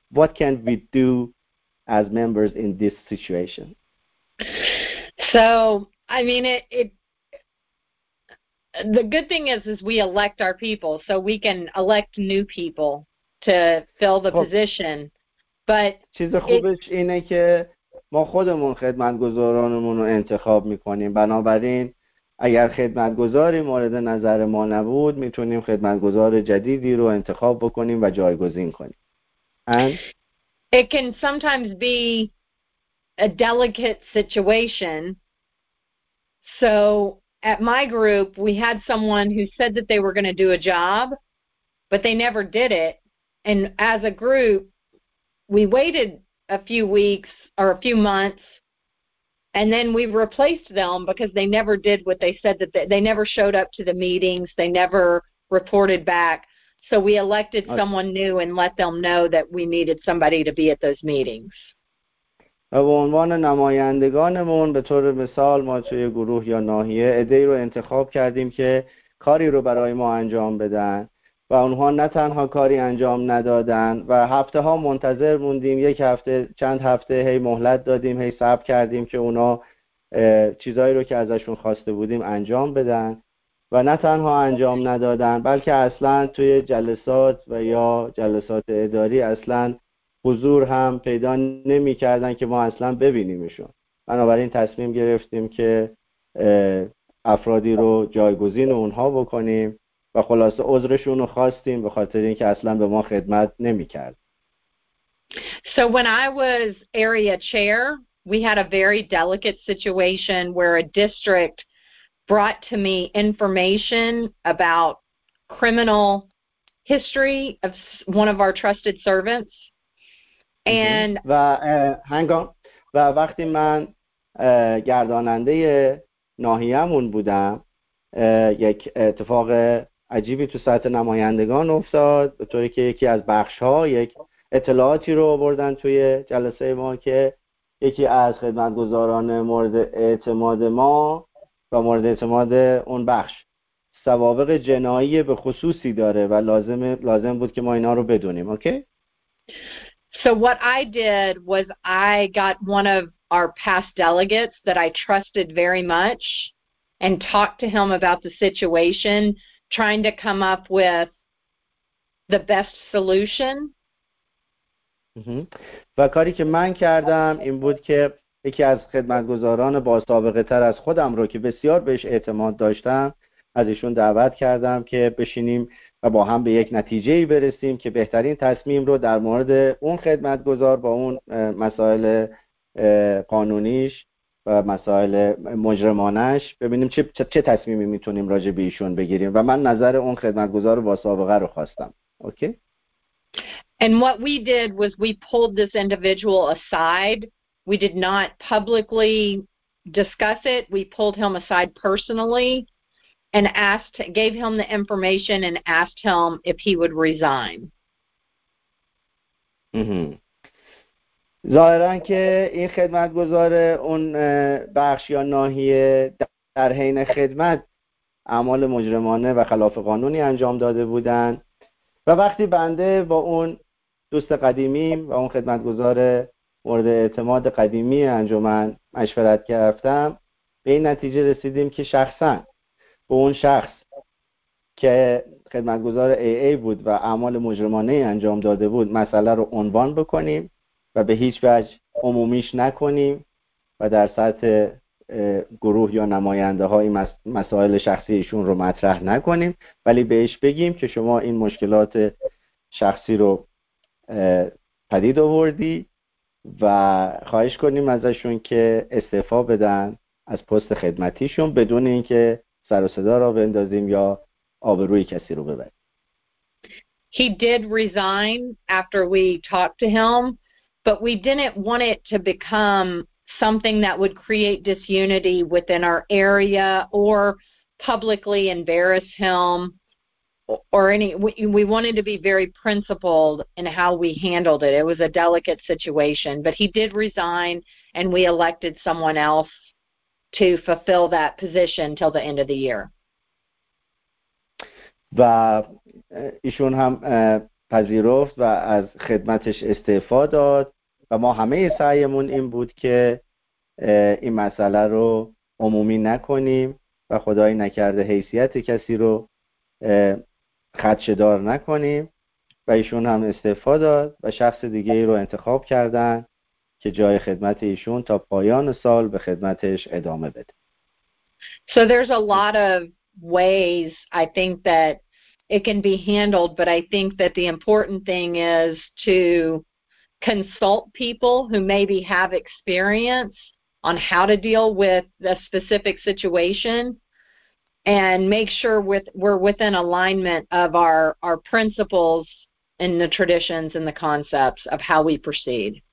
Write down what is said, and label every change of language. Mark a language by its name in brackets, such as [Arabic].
[English] what can we do as members in this situation? So, I mean, the good thing is we elect our people, so we can elect new people to fill the position. But [Persian] چیز خوبش اینه که ما خودمون خدمتگزارانمون رو انتخاب میکنیم. بنابراین اگر خدمتگزاری مورد نظر ما نبود، میتونیم خدمتگزار جدیدی رو انتخاب بکنیم و جایگزین کنیم. [English] It can sometimes be a delicate situation. So at my group, we had someone who said that they were going to do a job, but they never did it. And as a group, we waited a few weeks or a few months, and then we replaced them because they never did what they said that they never showed up to the meetings. They never reported back. So we elected someone new and let them know that we needed somebody to be at those meetings. [Persian] به عنوان نمایندگانمون به طور مثال ما توی گروه یا ناحیه عده‌ای رو انتخاب کردیم که کاری رو برای ما انجام بدن و اونها نه تنها کاری انجام ندادن و هفته ها منتظر موندیم، یک هفته چند هفته هی مهلت دادیم، هی صبر کردیم که اونا چیزایی رو که ازشون خواسته بودیم انجام بدن و نه تنها انجام ندادن، بلکه اصلا توی جلسات و یا جلسات اداری اصلا حضور هم پیدا نمی کردن که ما اصلا ببینیمشون. بنابراین تصمیم گرفتیم که افرادی رو جایگزین اونها بکنیم و خلاصه عذرشون رو خواستیم به خاطر اینکه اصلا به ما خدمت نمی کرد. [English] So when I was area chair, we had a very delicate situation where a district brought to me information about criminal history of one of our trusted servants. And [Persian] و هنگام و وقتی من گرداننده ناحیه‌مون بودم، یک اتفاق عجیبی تو سطح نمایندگان افتاد، به طوری که یکی از بخش‌ها یک اطلاعاتی رو آوردن توی جلسه ما که یکی از خدمتگزاران مورد اعتماد ما و مورد اعتماد اون بخش سوابق جنایی به خصوصی داره و لازم بود که ما اینا رو بدونیم. [English] So what I did was I got one of our past delegates that I trusted very much and talked to him about the situation, trying to come up with the best solution. [Persian] و کاری که من کردم این بود که یکی از خدمتگزاران با سابقه تر از خودم رو که بسیار بهش اعتماد داشتم از ایشون دعوت کردم که بشینیم و با هم به یک نتیجه‌ای برسیم که بهترین تصمیم رو در مورد اون خدمتگزار با اون مسائل قانونیش و مسائل مجرمانش ببینیم چه تصمیمی میتونیم راجع به ایشون بگیریم و من نظر اون خدمتگزار با سابقه رو خواستم. [English] Okay? And what we did was we pulled this individual aside. We did not publicly discuss it. We pulled him aside personally and gave him the information and asked him if he would resign. [Persian] ظاهرا که این خدمتگزار اون بخش یا ناحیه در حین خدمت اعمال مجرمانه و خلاف قانونی انجام داده بودن و وقتی بنده با اون دوست قدیمیم و اون خدمتگزار مورد اعتماد قدیمی انجمن مشورت کردم، به این نتیجه رسیدیم که شخصا به اون شخص که خدمتگزار AA بود و اعمال مجرمانه انجام داده بود مسئله رو عنوان بکنیم و به هیچ وجه عمومیش نکنیم و در سطح گروه یا نماینده های مسائل شخصیشون رو مطرح نکنیم، ولی بهش بگیم که شما این مشکلات شخصی رو پدید آوردی و خواهش کنیم ازشون که استعفا بدن از پست خدمتیشون بدون اینکه سر و صدا را بندازیم یا آبروی کسی رو ببریم. [English] He did resign after we talked to him, but we didn't want it to become something that would create disunity within our area or publicly embarrass him or any. We wanted to be very principled in how we handled it. It was a delicate situation, but he did resign and we elected someone else to fulfill that position till the end of the year. [Persian] و ایشون هم پذیرفت و از خدمتش استعفا داد و ما همه سعیمون این بود که این مسئله رو عمومی نکنیم و خدای نکرده حیثیت کسی رو خدشه‌دار نکنیم و ایشون هم استعفا داد و شخص دیگه ای رو انتخاب کردن که جای خدمت ایشون تا پایان سال به خدمتش ادامه بده. [English] So there's a lot of ways I think that it can be handled, but I think that the important thing is to consult people who maybe have experience on how to deal with the specific situation and make sure we're within alignment of our principles and the traditions and the concepts of how we proceed.